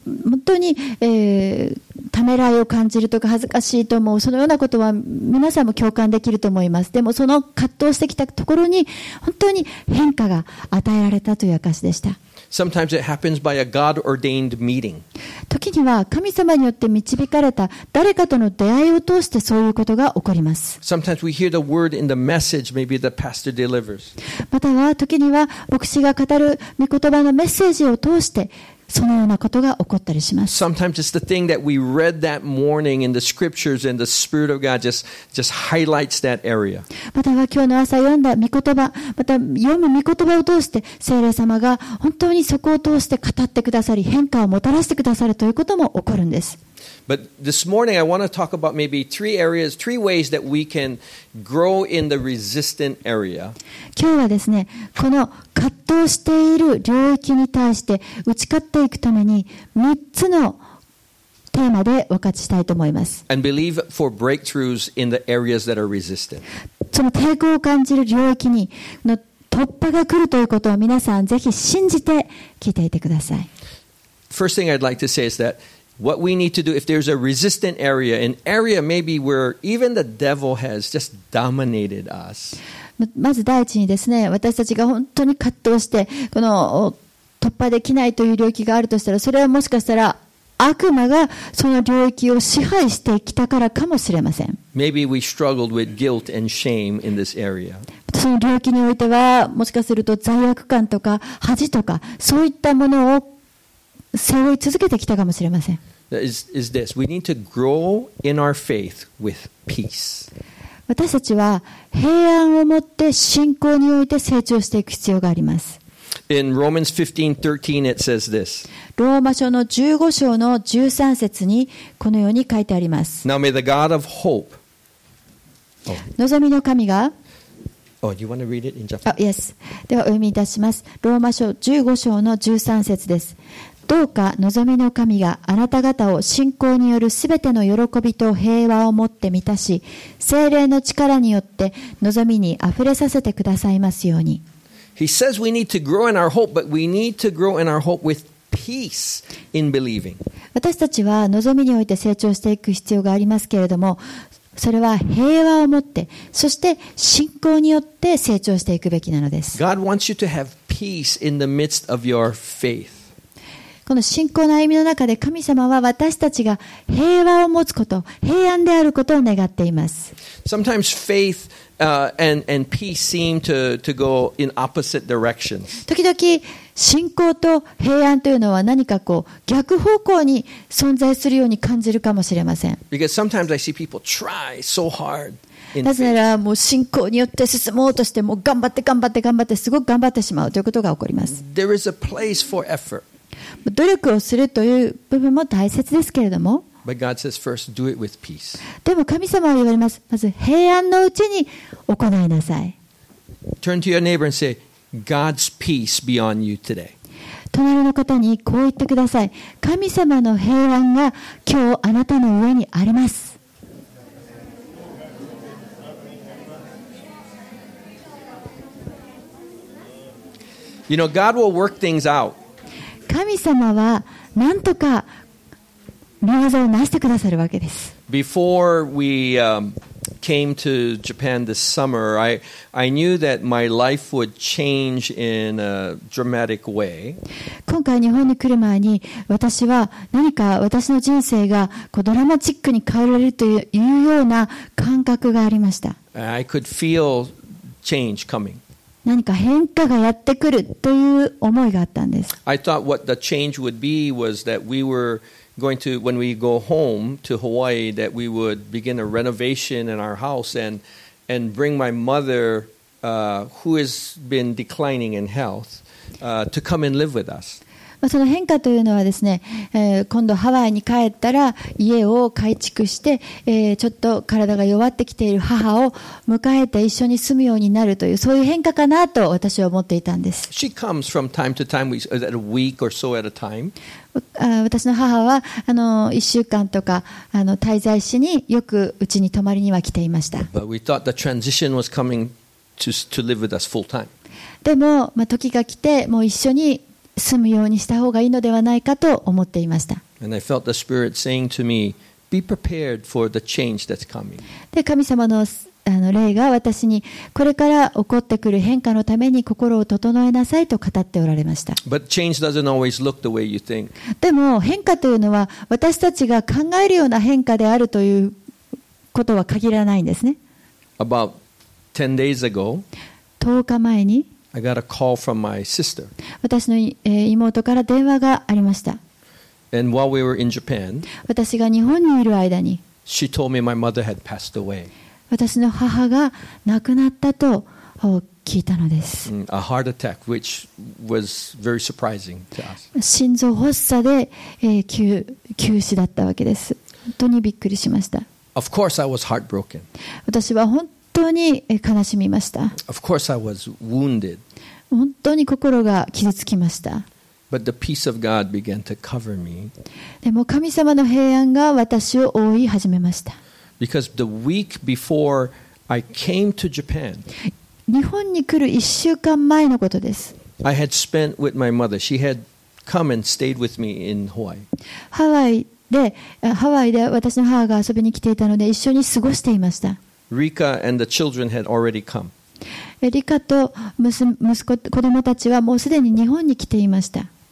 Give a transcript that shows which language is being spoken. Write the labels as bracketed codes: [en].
[ja] 本当に、ためらいを感じるとか恥ずかしいと思う、そのようなことは皆さんも共感できると思います。でもその葛藤してきたところに本当に変化が与えられたという証でした。 [en] Sometimes it happens by a God-ordained meeting. [ja] 時には神様によって導かれた誰かとの出会いを通してそういうことが起こります。 [en] Sometimes we hear the word in the message, maybe the pastor delivers. [ja] または時には牧師が語る御言葉のメッセージを通してそのようなことが起こったりします。 [en] Sometimes it's the thing that we read that morning in the scriptures and the Spirit of God just highlights that area. [ja] または今日の朝読んだ御言葉、また読む御言葉を通して聖霊様が本当にそこを通して語ってくださり変化をもたらしてくださるということも起こるんです。 [en] But this morning I want to talk about maybe three areas, three ways that we can grow in the resistant area. [ja] 今日はですね、この葛藤している領域に対して打ち勝っていくために3つのテーマで分かちしたいと思います。 [en] And believe for breakthroughs in the areas that are resistant. [ja] その抵抗を感じる領域にの突破が来るということを皆さんぜひ信じて聞いていてください。 [en] First thing I'd like to say is that. What we need to do if there's a resistant area, an area maybe where even the devil has just dominated us. [ja] まず第一にですね、私たちが本当に葛藤してこの突破できないという領域があるとしたら、それはもしかしたら悪魔がその領域を支配してきたからかもしれません。 [en] Maybe we struggled with guilt and shame in this area. [ja] その領域においては、もしかすると罪悪感とか恥とか、そういったものを背負い続けてきたかもしれません。私たちは平安をもって信仰において成長していく必要があります。 [en] In Romans 15:13, it says this. [ja] ローマ書の15章の13節にこのように書いてあります。 [en] Now may the God of hope. [ja] 望みの神が、 [en] Oh, you want to read it in Japanese? Yes. [ja] ではお読みいたします。ローマ書15章の13節です。どうか望みの神があなた方を信仰によるすべての喜びと平和をもって満たし、聖霊の力によって望みにあふれさせてくださいますように。 [en] He says we need to grow in our hope, but we need to grow in our hope with peace in believing. [ja] 私たちは望みにおいて成長していく必要がありますけれども、それは平和を持って、そして信仰によって成長していくべきなのです。 [en] God wants you to have peace in the midst of your faith. [ja] この信仰の歩みの中で神様は私たちが平和を持つこと、平安であることを願っています。 [en] Sometimes faith, and peace seem to go in opposite directions. [ja] 時々信仰と平安というのは何かこう逆方向に存在するように感じるかもしれません。 [en] Because sometimes I see people try so hard. [ja] なぜならもう信仰によって進もうとしても頑張って頑張って頑張ってすごく頑張ってしまうということが起こります。 [en] There is a place for effort. [ja] 努力をするという部分も大切ですけれども。 [en] But God says, first, do it with peace. [ja] でも神様は言われます。まず平安のうちに行いなさい。 [en] Turn to your neighbor and say, God's peace be on you today. [ja] 隣の方にこう言ってください。神様の平安が今日あなたの上にあります。 [en] You know, God will work things out. [ja] 神様はなんとか御業をなしてくださるわけです。 [en] Before we came to Japan this summer, I knew that my life would change in a dramatic way. [ja] 今回日本に来る前に、私は何か私の人生がこうドラマチックに変えられるというような感覚がありました。 [en] I could feel change coming. [ja] 何か変化がやってくるという思いがあったんです。 [en] I thought what the change would be was that we were going to, when we go home to Hawaii, that we would begin a renovation in our house and bring my mother, who has been declining in health, to come and live with us. [ja] その変化というのはですね、今度ハワイに帰ったら家を改築して、ちょっと体が弱ってきている母を迎えて一緒に住むようになるというそういう変化かなと私は思っていたんです。 [en] She comes from time to time, at a week or so at a time. [ja] 私の母は1週間とか滞在しによくうちに泊まりには来ていました。 [en] But we thought the transition was coming to live with us full time. [ja] でも、時が来てもう一緒に住むようにした方がいいのではないかと思っていました。 [en] And I felt the Spirit saying to me, be prepared for the change that's coming. [ja] で、神様の、霊が私にこれから起こってくる変化のために心を整えなさいと語っておられました。 [en] But change doesn't always look the way you think. [ja] でも変化というのは私たちが考えるような変化であるということは限らないんですね。 [en] About 10 days ago, [ja] 10日前に [en] I got a call from my sister. [ja] 私の妹から電話がありました。 [en] And while we were in Japan, [ja] 私が日本にいる間に、 [en] she told me my mother had passed away. [ja] 私の母が亡くなったと聞いたのです。 [en] A heart attack, which was very surprising to us. [ja] 心臓発作で急死だったわけです。本当にびっくりしました。 [en] Of course, I was heartbroken. [ja] 私は本当に悲しみました。 [en] Of course I was wounded. [ja] 本当に心が傷つきました。 [en] But the peace of God began to cover me. [ja] でも神様の平安が私を覆い始めました。 [en] Because the week before I came to Japan, [ja] 日本に来る1週間前のことです。 [en] I had spent with my mother. She had come and stayed with me in Hawaii. [ja] ハワイで私の母が遊びに来ていたので一緒に過ごしていました。 [en] Rika and the children had already come. [ja] リカと息子、子供たちはもうすでに日本に来ていました。